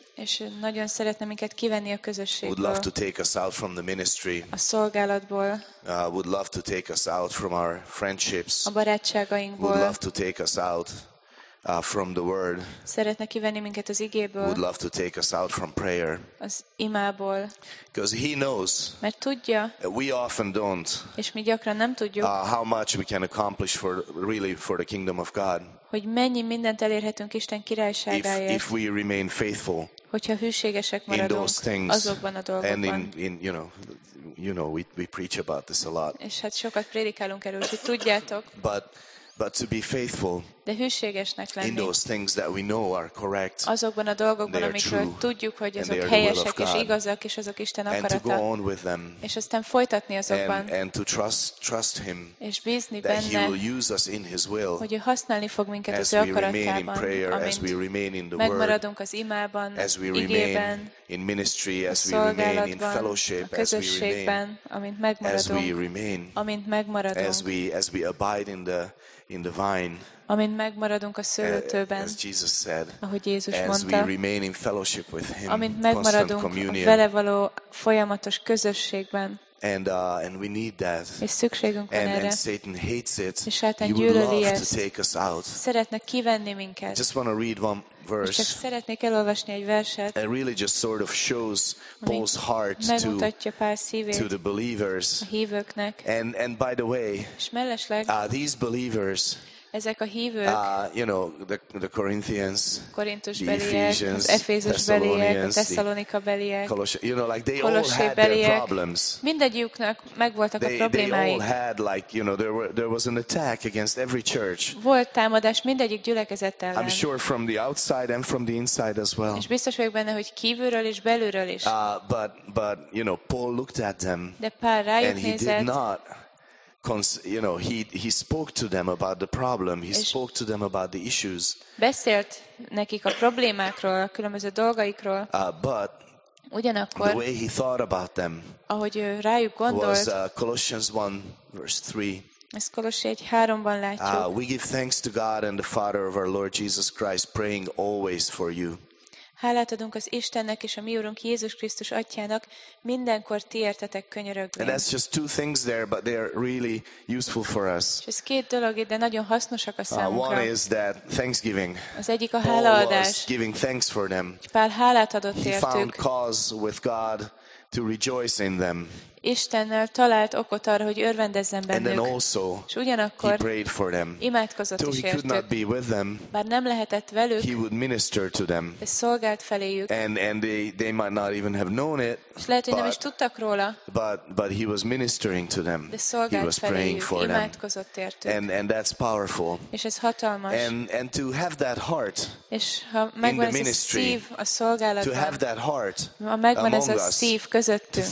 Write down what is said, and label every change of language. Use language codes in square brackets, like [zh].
[hu] És nagyon szeretne minket kivenni a közösségből. [en] Would love to take us out from the ministry. [hu] A szolgálatból. [en] Would love to take us out from our friendships. [hu] A barátságainkból. [en] Would love to take us out from the word. [hu] Szeretne kivenni minket az igéből. [en] Would love to take us out from prayer. [hu] Az imából. [en] Because he knows. [hu] Mert tudja. [en] We often don't. [hu] És mi gyakran nem tudjuk. [en] How much we can accomplish for the kingdom of God. [hu] Hogy mennyi mindent elérhetünk Isten királyságáért. [en] If we remain faithful. [hu] Hogyha hűségesek maradunk azokban a dolgokban. [en] And in we preach about this a lot. [hu] És hát sokat prédikálunk erről, hogy tudjátok. [en] But to be faithful. [hu] De hűségesnek lenni. [en] In those things that we know are correct. [hu] Azokban a dolgokban, amikről tudjuk, hogy azok helyesek és igazak, és azok Isten akarata. [en] And to go on with them. [hu] És aztán folytatni azokban. [en] And to trust him. [hu] És bízni benne. [en] That he will use us in his will. [hu] Hogy ő használni fog minket az ő akaratában. [en] As we remain in the word. [hu] Megmaradunk az imában, [en] as we remain in ministry, as we remain in fellowship, as we remain, [hu] amint megmaradunk, [en] as we remain, [hu] amint megmaradunk, [en] as we abide in the vine, [hu] amint megmaradunk a szőlőtőben, [en] as Jesus said, [hu] ahogy Jézus [en] as [hu] mondta, [en] we remain in fellowship with him, [hu] amint megmaradunk [en] constant communion, [hu] vele való folyamatos közösségben, [en] And we need that. [hu] És szükségünk van erre. [en] And Satan hates it. [hu] És Satan gyűlöli ezt. [en] He would love to take us out. [hu] Szeretne kivenni minket. [en] I just want to read one verse. [hu] Csak szeretnék elolvasni egy verset. [en] It really just sort of shows Paul's heart to the believers. [hu] A hívőknek. [en] And by the way, these believers. [hu] Ezek a hívők, [en] the Corinthians, Ephesians, the Ephesians, the Thessalonica beliek, Colossians, all had their problems. [hu] Mindegyüknek megvoltak a problémáik. [en] They all had there was an attack against every church. [hu] Volt támadás mindegyik gyülekezet ellen. [en] I'm sure from the outside and from the inside as well. [hu] És biztos vagyok benne, hogy kívülről és belülről is. [en] But Paul looked at them. [hu] De Pál rájuk nézett. [en] And he did not. He spoke to them about the problem. He spoke to them about the issues. [hu] Beszélt nekik a problémákról, a különböző dolgaikról. [en] But [hu] ugyanakkor, [en] the way he thought about them, [hu] ahogy ő rájuk gondolt, [en] was Colossians 1:3. [hu] Ezt Kolossé 3-ban látjuk. [en] We give thanks to God and the Father of our Lord Jesus Christ, praying always for you. [hu] Hálát adunk az Istennek és a mi Urunk Jézus Krisztus Atyának, mindenkor ti értetek könyörögve. [en] And that's just two things there, but they are really useful for us. [hu] Ez két dolog, de nagyon hasznosak a számunkra. [en] One is that thanksgiving. [hu] Az egyik a hálaadás. [en] Paul was giving thanks for them. [hu] Pál hálát adott értük. [en] He found cause with God to rejoice in them. [hu] Istennel talált okot arra, hogy örvendezzen bennük. És ugyanakkor [en] he prayed for them. [hu] Imádkozott is értük. [en] He could not be with them. [hu] Bár nem lehetett velük. [en] He would minister to them. [hu] És szolgált feléjük. [en] And they might not even have known it. [hu] És lehet, hogy nem is tudtak róla. [en] But he was ministering to them. [hu] De szolgált [en] he was [hu] feléjük. [en] Praying for them. [hu] Imádkozott értük. [en] And that's powerful. [hu] És ez hatalmas. [en] And to have that heart. [hu] És ha megvan ez a szív a szolgálatban. [en] To have that heart. [hu] Ha megvan ez a szív közöttünk.